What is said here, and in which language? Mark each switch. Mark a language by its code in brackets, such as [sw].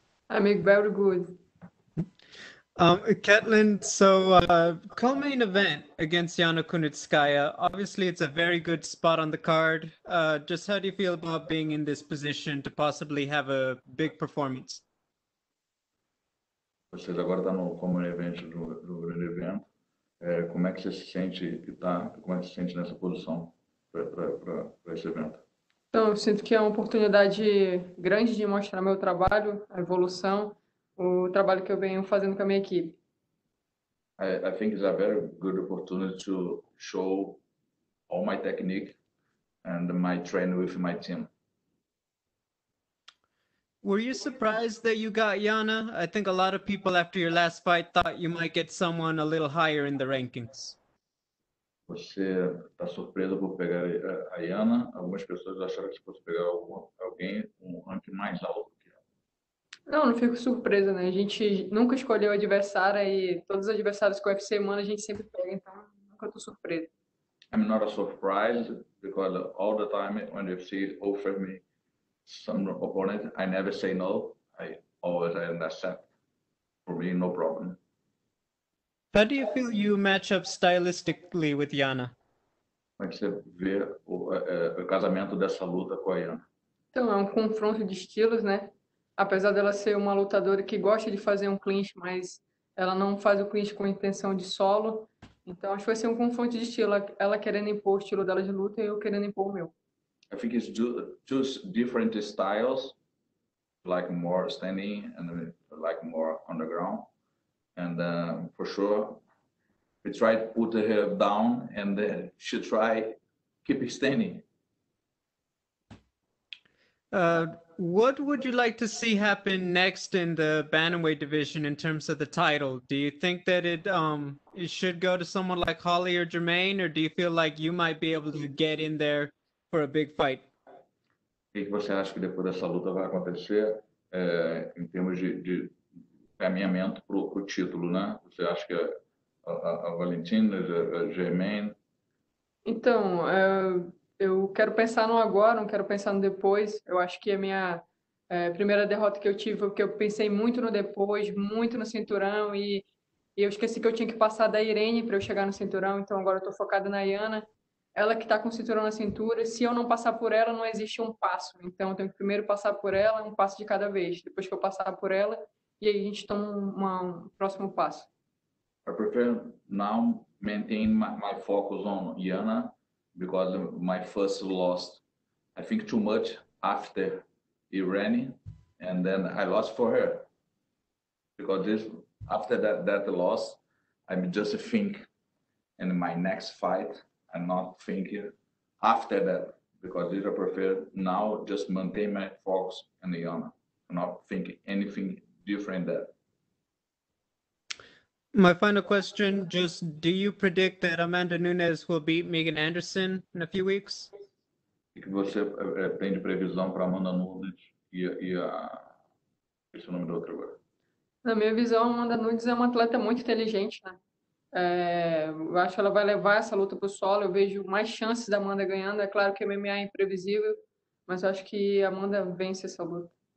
[en] I'm very good. Ketlen, so co-main event against Yana Kunitskaya. Obviously, it's a very good spot on the card. Just how do you feel about being in this position to possibly have a big performance? [pt] Você agora está no co-main event do grande evento. Como é que você se sente e tá? Como é que você se sente nessa posição para esse evento? Então, eu sinto que é uma oportunidade grande de mostrar meu trabalho, a evolução. O trabalho que eu venho fazendo com a minha equipe. [en] I think it's a very good opportunity to show all my technique and my training with my team. Were you surprised that you got Yana? I think a lot of people after your last fight thought you might get someone a little higher in the rankings. [pt] Você tá surpreso por pegar a Yana? Algumas pessoas acharam que fosse pegar alguém com um ranking mais alto. Não fico surpresa, né? A gente nunca escolheu adversário e todos os adversários que o UFC manda a gente sempre pega, então nunca tô surpresa. [en] I'm not a surprise because all the time when the UFC offers me some opponent, I never say no. I always accept. For me, no problem. How do you feel you match up stylistically with Yana? [pt] Como é que você vê o casamento dessa luta com a Yana? Então é um confronto de estilos, né? Apesar dela ser uma lutadora que gosta de fazer um clinch, mas ela não faz o clinch com intenção de solo. Então, acho que vai ser um confronto de estilo. Ela querendo impor o estilo dela de luta e eu querendo impor o meu. [en] I think it's two different styles, like more standing and like more on the ground. And for sure, we try to put her down and she try keep standing. What would you like to see happen next in the bantamweight division in terms of the title? Do you think that it should go to someone like Holly or Jermaine, or do you feel like you might be able to get in there for a big fight? [pt] O que você acha que depois dessa luta vai acontecer em termos de caminhamento para o título, né? Você acha que a Valentina, a Jermaine? Então, eu quero pensar no agora, não quero pensar no depois. Eu acho que a minha primeira derrota que eu tive foi porque eu pensei muito no depois, muito no cinturão, e eu esqueci que eu tinha que passar da Irene para eu chegar no cinturão, então agora eu estou focada na Yana. Ela que está com o cinturão na cintura, se eu não passar por ela, não existe um passo. Então eu tenho que primeiro passar por ela, um passo de cada vez. Depois que eu passar por ela, e aí a gente toma um próximo passo. [en] I prefer now maintain my focus on Yana. Because of my first loss, I think too much after Irene, and then I lost for her. Because this, after that loss, I just think in my next fight, I'm not thinking after that. Because this I prefer now just maintain my focus and the honor, not think anything different than that. My final question, just do you predict that Amanda Nunes will beat Megan Anderson in a few weeks? [pt] O que você tem de previsão para Amanda Nunes e esse nome do outro agora? Na minha visão, Amanda Nunes é uma atleta muito inteligente, né? Eu acho que ela vai levar essa luta para o solo, eu vejo mais chances da Amanda ganhando. É claro que a MMA é imprevisível, mas eu acho que a Amanda vence essa luta.